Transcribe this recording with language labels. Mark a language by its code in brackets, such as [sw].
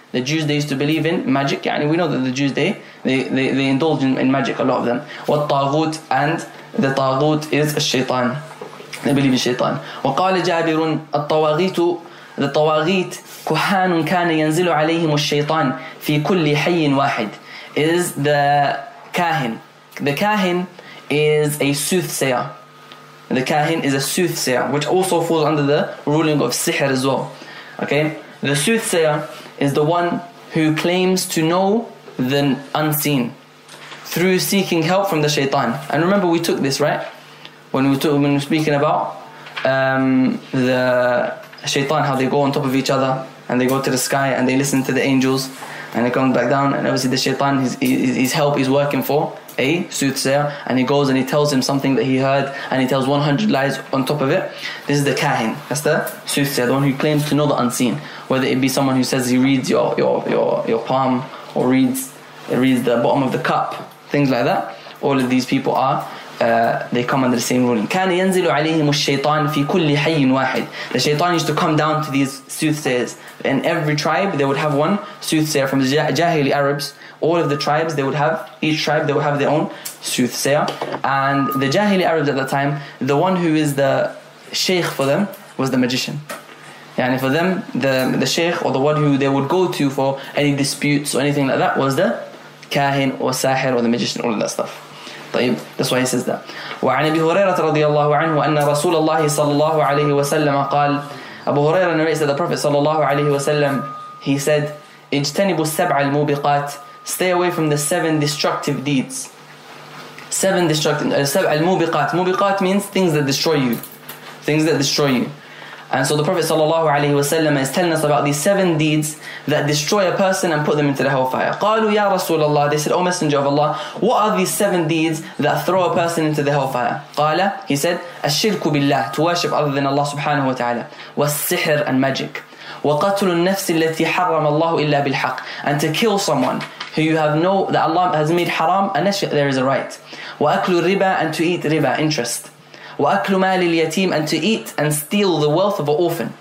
[en] The Jews, they used to believe in magic, يعني we know that the Jews they indulge in magic, a lot of them, والطاغوت, and the طاغوت is الشيطان, they believe in الشيطان. [ar] وقال جابر الطواغيت, the طواغيت كهان كان ينزل عليهم الشيطان في كل حي واحد, [en] is the [ar] كاهن. [en] The كاهن is a soothsayer. The كاهن is a soothsayer, which also falls under the ruling of sihr as well. Okay, the soothsayer is the one who claims to know the unseen through seeking help from the shaitan. And remember, we took this right when we were speaking about the shaitan, how they go on top of each other and they go to the sky and they listen to the angels and they come back down, and obviously the shaitan, his help is working for a soothsayer, and he goes and he tells him something that he heard and he tells 100 lies on top of it. This is the kahin, that's the soothsayer, the one who claims to know the unseen, whether it be someone who says he reads your palm or reads the bottom of the cup, things like that. All of these people are they come under the same ruling. [ar] كان ينزل عليهم الشيطان في كل حي واحد. [en] The shaitan used to come down to these soothsayers. In every tribe, they would have one soothsayer. From the Jahili Arabs, all of the tribes, they would have, each tribe, they would have their own soothsayer. And the Jahili Arabs at that time, the one who is the sheikh for them was the magician. Yani for them, the sheikh or the one who they would go to for any disputes or anything like that was the kahin or sahir or the magician, all of that stuff. [ar] طيب, [en] that's why he says that. [ar] وعن أبي هريرة رضي الله عنه أن رسول الله صلى الله عليه وسلم قال أبو هريرة [en] narrates that the Prophet [ar] صلى الله عليه وسلم, he said, اجتنبوا السبع الموبقات, [en] stay away from the seven destructive deeds. Seven destructive, [ar] السبع الموبقات. [en] موبقات means things that destroy you. Things that destroy you. And so the Prophet sallallahu alaihi wasallam is telling us about these seven deeds that destroy a person and put them into the hellfire. [ar] قالوا يا رسول الله, [en] they said, O Messenger of Allah, what are these seven deeds that throw a person into the hellfire? قال, he said, [ar] الشرك بالله, [en] to worship other than Allah subhanahu wa ta'ala, والسحر, and magic, [ar] وقتل النفس التي حرم الله إلا بالحق, [en] and to kill someone who you have no, that Allah has made haram unless there is a right, [ar] وأكل الربا, [en] and to eat riba, interest, [ar] وَأَكْلُ مَالِ الْيَتِيمِ, [en] and to eat and steal the wealth of an orphan.